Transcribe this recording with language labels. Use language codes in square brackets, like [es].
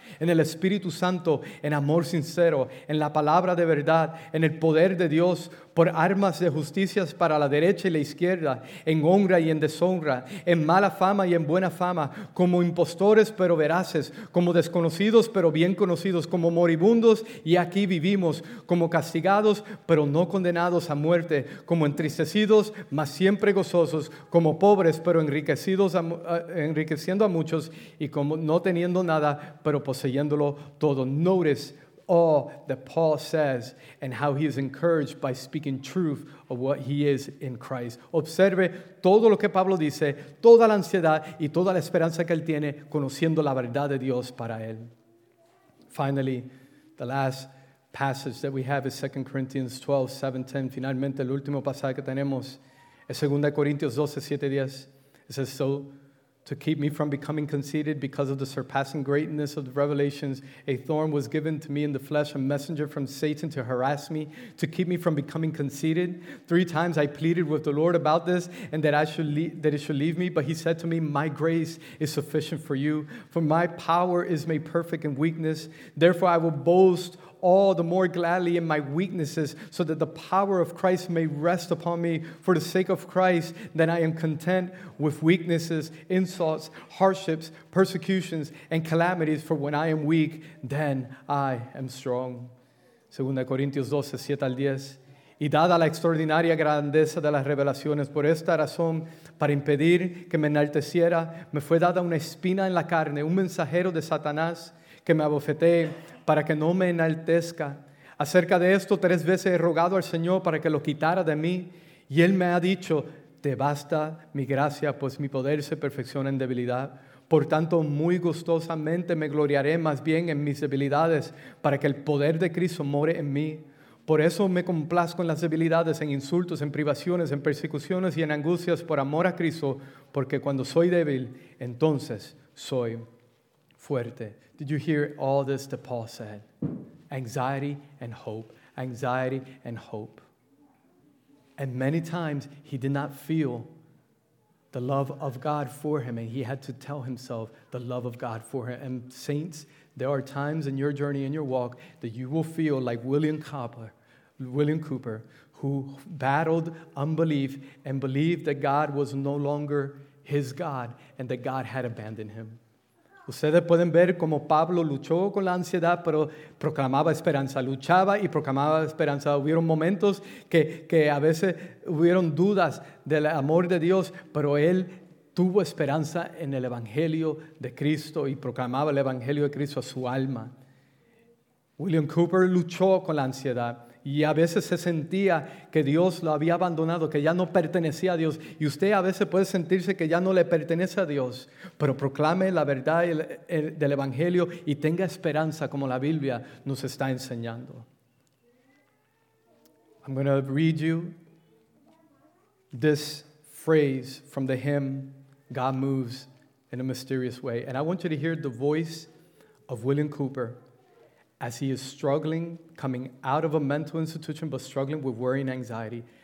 [es] en el Espíritu Santo, en amor sincero, en la palabra de verdad, en el poder de Dios, por armas de justicia para la derecha y la izquierda, en honra y en deshonra, en mala fama y en buena fama, como impostores pero veraces, como desconocidos pero bien conocidos, como moribundos y aquí vivimos, como castigados pero no condenados a muerte, como entristecidos mas siempre gozosos, como pobres pero enriquecidos, enriqueciendo a muchos, y como no teniendo nada pero poseyéndolo todo. [en] Notice all that Paul says and how he is encouraged by speaking truth of what he is in Christ. [es] Observe todo lo que Pablo dice, toda la ansiedad y toda la esperanza que él tiene conociendo la verdad de Dios para él. [en] Finally, the last passage that we have is 2 Corinthians 12:7-10. [es] Finalmente, el último pasaje que tenemos es 2 Corinthians 12:7-10. [en] It says, so to keep me from becoming conceited because of the surpassing greatness of the revelations, a thorn was given to me in the flesh, a messenger from Satan to harass me, to keep me from becoming conceited. 3 times I pleaded with the Lord about this and that I should leave me, but he said to me, my grace is sufficient for you, for my power is made perfect in weakness. Therefore I will boast all the more gladly in my weaknesses, so that the power of Christ may rest upon me. For the sake of Christ, then I am content with weaknesses, insults, hardships, persecutions, and calamities. For when I am weak, then I am strong. 2 Corinthians 12:7-10. [es] Y dada la extraordinaria grandeza de las revelaciones, por esta razón, para impedir que me enalteciera, me fue dada una espina en la carne, un mensajero de Satanás, que me abofetee para que no me enaltezca. Acerca de esto, 3 veces he rogado al Señor para que lo quitara de mí, y Él me ha dicho, te basta mi gracia, pues mi poder se perfecciona en debilidad. Por tanto, muy gustosamente me gloriaré más bien en mis debilidades, para que el poder de Cristo more en mí. Por eso me complazco en las debilidades, en insultos, en privaciones, en persecuciones y en angustias por amor a Cristo, porque cuando soy débil, entonces soy fuerte. [en] Did you hear all this that Paul said? Anxiety and hope. Anxiety and hope. And many times he did not feel the love of God for him, and he had to tell himself the love of God for him. And saints, there are times in your journey, in your walk, that you will feel like William Cooper, who battled unbelief and believed that God was no longer his God and that God had abandoned him. [es] Ustedes pueden ver cómo Pablo luchó con la ansiedad, pero proclamaba esperanza. Luchaba y proclamaba esperanza. Hubieron momentos que a veces hubieron dudas del amor de Dios, pero él tuvo esperanza en el Evangelio de Cristo y proclamaba el Evangelio de Cristo a su alma. William Cooper luchó con la ansiedad y a veces se sentía que Dios lo había abandonado, que ya no pertenecía a Dios. Y usted a veces puede sentirse que ya no le pertenece a Dios, pero proclame la verdad del Evangelio y tenga esperanza como la Biblia nos está enseñando. [en] I'm going to read you this phrase from the hymn, God Moves in a Mysterious Way. And I want you to hear the voice of William Cooper as he is struggling, coming out of a mental institution, but struggling with worry and anxiety.